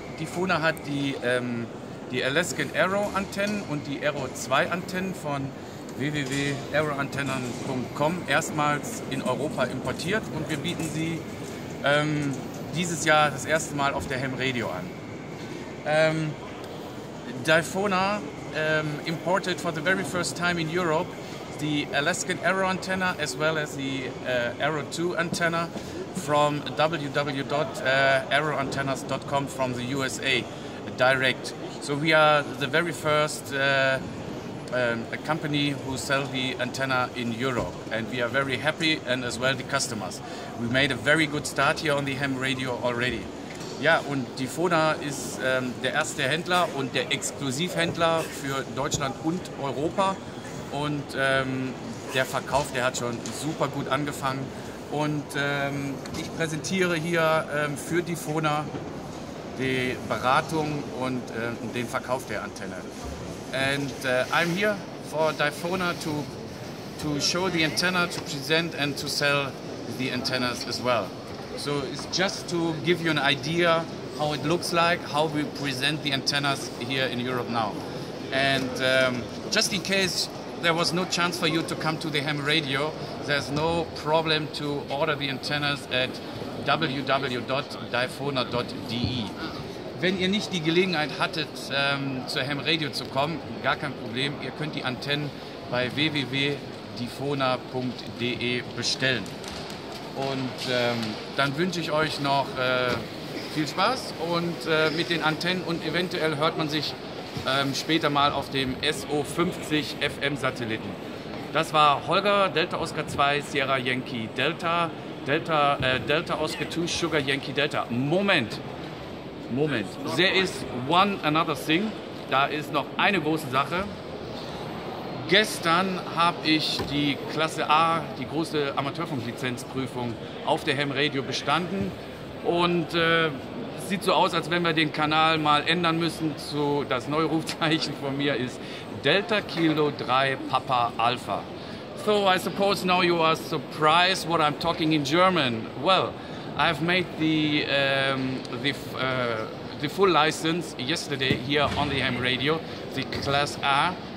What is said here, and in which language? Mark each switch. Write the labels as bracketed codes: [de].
[de] Difona hat die Alaskan Aero Antennen und die Aero 2 Antennen von www.aeroantennen.com erstmals in Europa importiert und wir bieten sie dieses Jahr das erste Mal auf der Ham Radio an. [en] Difona imported for the very first time in Europe the Alaskan Aero antenna as well as the Aero 2 antenna from www.aeroantennas.com from the USA direct. So we are the very first a company who sell the antenna in Europe, and we are very happy, and as well the customers. We made a very good start here on the Ham Radio already. [de] Ja, und Difona ist der erste Händler und der Exklusivhändler für Deutschland und Europa. Und der Verkauf, der hat schon super gut angefangen. Und ich präsentiere hier für Difona die Beratung und den Verkauf der Antenne. [en] And I'm here for Difona to show the antenna, to present and to sell the antennas as well. So it's just to give you an idea how it looks like, how we present the antennas here in Europe now. And just in case there was no chance for you to come to the Ham Radio, there's no problem to order the antennas at www.difona.de. [de] Wenn ihr nicht die Gelegenheit hattet, zur Ham Radio zu kommen, gar kein Problem, ihr könnt die Antennen bei www.difona.de bestellen. Und dann wünsche ich euch noch viel Spaß und mit den Antennen und eventuell hört man sich später mal auf dem SO50 FM Satelliten. Das war Holger, Delta Oscar 2, Sierra Yankee Delta, Delta Oscar 2, Sugar Yankee Delta. Moment, [en] there is one another thing, [de] da ist noch eine große Sache. Gestern habe ich die Klasse A, die große Amateurfunklizenzprüfung, auf der Ham Radio bestanden. Und es sieht so aus, als wenn wir den Kanal mal ändern müssen. Das neue Rufzeichen von mir ist Delta Kilo 3 Papa Alpha. [en] So I suppose now you are surprised what I'm talking in German. Well, I've made the full license yesterday here on the Ham Radio, the Class A.